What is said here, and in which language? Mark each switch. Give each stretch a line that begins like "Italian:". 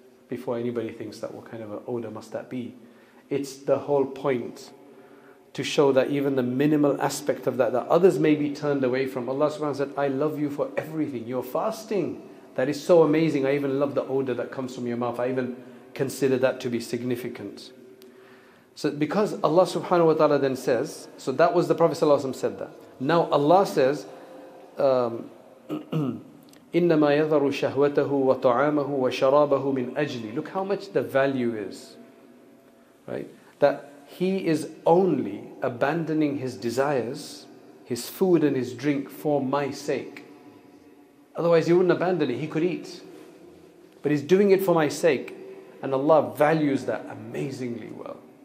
English: Before anybody thinks that, what kind of an odor must that be? It's the whole point to show that even the minimal aspect of that others may be turned away from. Allah subhanahu wa ta'ala said, I love you for everything. You're fasting. That is so amazing. I even love the odor that comes from your mouth. I even consider that to be significant. So because Allah subhanahu wa ta'ala then says, so that was the Prophet sallallahu alaihi wasallam said that. Now Allah says,
Arabic: إِنَّمَا يَذَرُ شَهْوَتَهُ وَطَعَامَهُ وَشَرَابَهُ مِنْ أَجْلِ.
English: Look how much the value is, right? That he is only abandoning his desires, his food and his drink for my sake. Otherwise he wouldn't abandon it, he could eat. But he's doing it for my sake. And Allah values that amazingly well.